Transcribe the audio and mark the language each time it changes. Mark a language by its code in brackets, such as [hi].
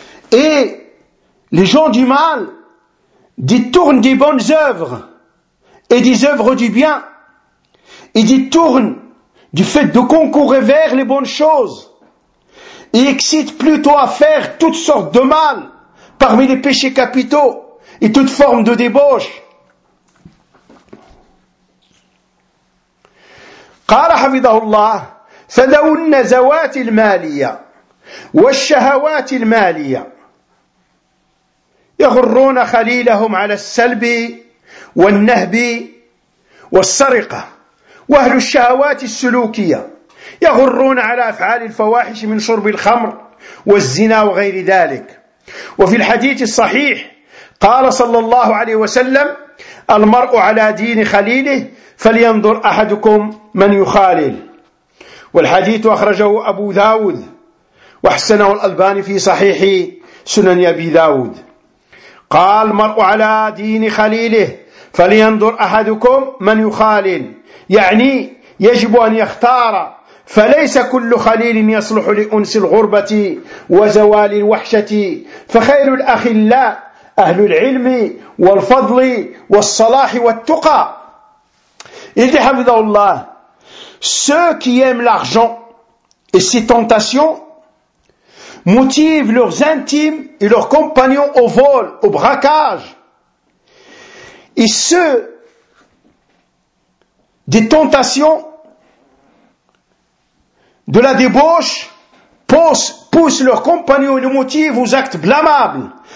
[fr] Et les gens du mal, détourne des bonnes œuvres et des œuvres du bien. Il détourne du fait de concourir vers les bonnes choses. Il excite plutôt à faire toutes sortes de mal parmi les péchés capitaux et toutes formes de débauche. [ar] قال حفظه الله فذو النزوات المالية والشهوات المالية يغرون خليلهم على السلب والنهب والسرقة وأهل الشهوات السلوكية يغرون على أفعال الفواحش من شرب الخمر والزنا وغير ذلك وفي الحديث الصحيح قال صلى الله عليه وسلم المرء على دين خليله فلينظر أحدكم من يخالل والحديث أخرجه أبو داود وأحسنه الألباني في صحيح سنن أبي داود قال المرء على دين خليله فلينظر أحدكم من يخالل يعني يجب أن يختار فليس كل خليل يصلح لأنس الغربة وزوال الوحشة فخير الأخلاء أهل العلم والفضل والصلاح والتقى إذ حفظه الله [fr] ceux qui aiment l'argent et ses tentations motivent leurs intimes et leurs compagnons au vol, au braquage. Et ceux des tentations, de la débauche, poussent leurs compagnons et les motivent aux actes blâmables.